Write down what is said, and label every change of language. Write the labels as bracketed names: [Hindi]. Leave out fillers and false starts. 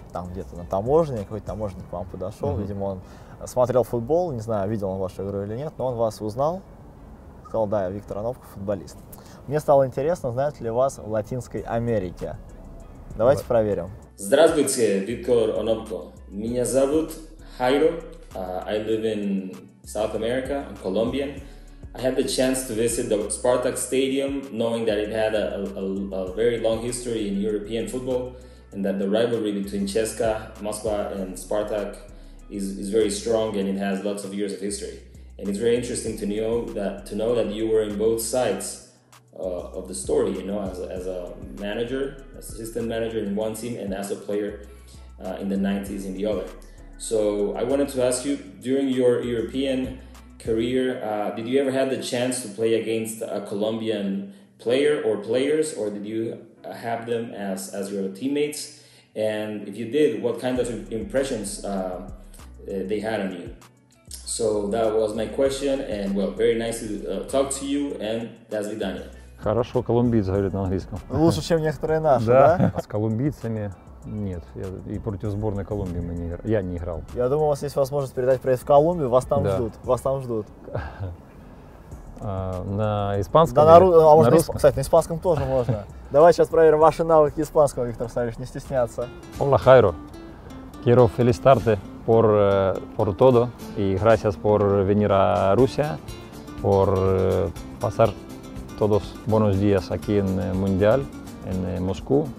[Russian] Там где-то на таможне, какой-то таможенник к вам подошел, видимо, он смотрел футбол, не знаю, видел он вашу игру или нет, но он вас узнал, сказал: да, Виктор Ановко, футболист. Мне стало интересно, знают ли вас в Латинской Америке. Давайте проверим. Здравствуйте, Виктор Ановко. Меня зовут Хайро. [English] I live in South America, I'm Colombian. I had the chance to visit the Spartak Stadium, knowing that it had a very long history in European football, and that the rivalry between CSKA Moskva and Spartak is very strong, and it has lots of years of history. And it's very interesting to know that you were in both sides of the story, you know, as a manager, as assistant manager in one team, and as a player in the 90s in the other. So I wanted to ask you, during your European career, did you ever have the chance to play against a Colombian player or players, or did you have them as your teammates? And if you did, what kind of impressions they had on you? So that was my question, and well, very nice to talk to you, and [Russian] до свидания. Хорошо, колумбийцы говорят на английском. Лучше, чем некоторые наши, да? С колумбийцами. Нет, и против сборной Колумбии я не играл. Я думаю, у вас есть возможность передать привет в Колумбию, вас там, да, ждут. Вас там ждут. На испанском? Да, а можно, кстати, на испанском тоже можно. Давайте сейчас проверим ваши навыки испанского, Виктор Савельевич, не стесняться. [Spanish] Hola, Jairo. Quiero felicitarte por todo y gracias por venir a Rusia, por pasar todos buenos días aquí en Mundial, en Moscú.